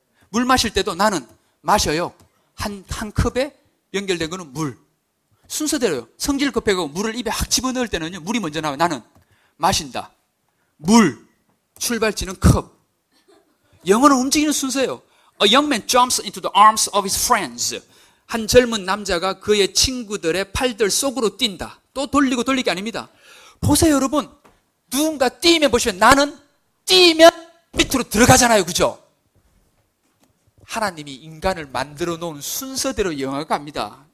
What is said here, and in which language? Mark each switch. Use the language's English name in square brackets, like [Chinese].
[Korean] 물 마실 때도 나는 마셔요. 한 컵에 연결된 거는 물. 순서대로요. 성질 급해가고 물을 입에 확 집어넣을 때는요. 물이 먼저 나와요. 나는 마신다. 물. 출발지는 컵. 영어는 움직이는 순서예요. [English] A young man jumps into the arms of his friends. [Korean] 한 젊은 남자가 그의 친구들의 팔들 속으로 뛴다. 또 돌리고 돌리기 아닙니다. 보세요 여러분. 누군가 뛰면 보시면 나는 뛰면 밑으로 들어가잖아요. 그죠? 하나님이 인간을 만들어 놓은 순서대로 영어가 갑니다.